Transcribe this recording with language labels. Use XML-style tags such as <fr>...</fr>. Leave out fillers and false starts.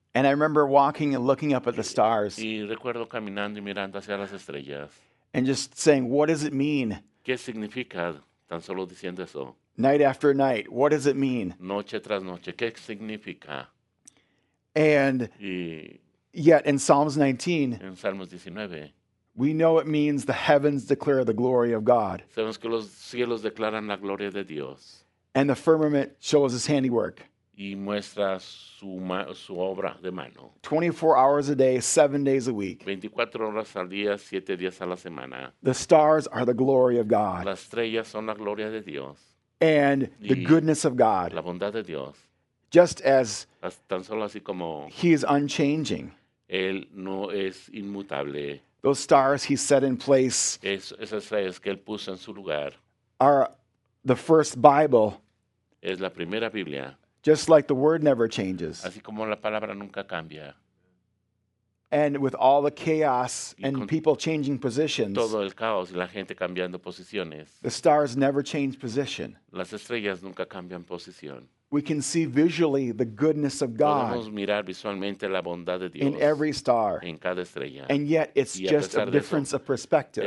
<en>And I remember walking and looking up at the stars.</en> <es>Y recuerdo caminando y mirando hacia las estrellas.</es> <en>And just saying, what does it mean?</en> <es>¿Qué significa? Tan solo diciendo eso.</es> <en>Night after night, what does it mean?</en> <es>Noche tras noche, ¿qué significa?</es> <en>And yet in Psalms 19,</en> <es>en Salmos 19,</es> <en>we know it means the heavens declare the glory of God.</en> <es>Sabemos que los cielos declaran la gloria de Dios.</es> <en>And the firmament shows his handiwork.</en> <es>Y muestra su obra de mano.</es> <en>24 hours a day, 7 days a week.</en> <es>24 horas al día, 7 días a la semana.</es> <en>The stars are the glory of God.</en> <es>Las estrellas son la gloria de Dios.</es> <en>And the goodness of God.</en> <es>La bondad de Dios.</es> <en>Just as</en> <es>tan solo así como</es> <en>he is unchanging.</en> <es>Él no es inmutable.</es> <en>Those stars he set in place.</en> <es>Esas estrellas que él puso en su lugar.</es> <en>Are the first Bible.</en> <es>Es la primera Biblia.</es> <en>Just like the word never changes.</en> <es>Así como la palabra nunca cambia.</es> <en>And with all the chaos and people changing positions.</en> <es>Todo el caos y la gente cambiando posiciones.</es> <en>The stars never change position.</en> <es>Las estrellas nunca cambian posición.</es> <en>We can see visually the goodness of God.</en> <es>Podemos mirar visualmente la bondad de Dios.</es> <en>In every star.</en> <es>En cada estrella.</es> <en>And yet it's just a difference of perspective.</en>